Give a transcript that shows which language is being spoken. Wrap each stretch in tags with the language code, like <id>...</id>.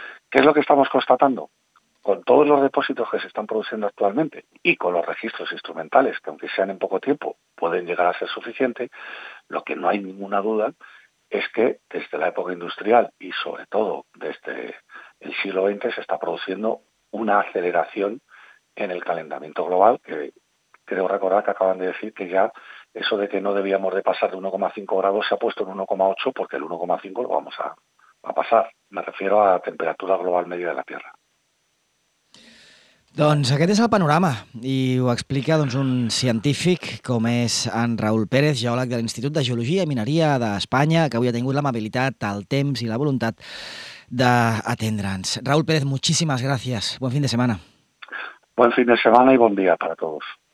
<es>¿Qué es lo que estamos constatando? Con todos los depósitos que se están produciendo actualmente y con los registros instrumentales, que aunque sean en poco tiempo, pueden llegar a ser suficientes, lo que no hay ninguna duda es que desde la época industrial y sobre todo desde el siglo XX se está produciendo una aceleración en el calentamiento global, que creo recordar que acaban de decir que ya eso de que no debíamos de pasar de 1,5 grados se ha puesto en 1,8, porque el 1,5 lo vamos a pasar. Me refiero a la temperatura global media de la Tierra.</es> <ca>Doncs aquest és el panorama i ho explica doncs un científic com és en Raül Pérez, geòleg de l'Institut de Geologia i Mineria d'Espanya, que avui ha tingut l'amabilitat, el temps i la voluntat d'atendre'ns. Raül Pérez, moltíssimes gràcies. Bon fin de setmana.</ca> <es>Buen fin de semana y buen día para todos.</es>